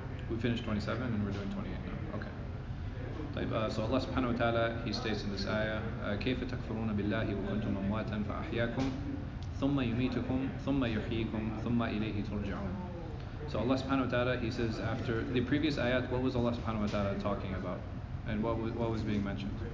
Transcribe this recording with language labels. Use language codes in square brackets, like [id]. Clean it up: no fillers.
[en] We finished 27 and we're doing 28 now. Okay. So Allah subhanahu wa ta'ala, he states in this ayah, [ar] كَيْفَ تَكْفَرُونَ بِاللَّهِ وَكُنْتُمْ أَمْوَاتًا فَأَحْيَاكُمْ ثُمَّ يُمِيتُكُمْ ثُمَّ يُحْيِيكُمْ ثُمَّ إِلَيْهِ تُرْجِعُونَ. [en] So Allah subhanahu wa ta'ala, he says after the previous ayat, what was Allah subhanahu wa ta'ala talking about? And what was being mentioned?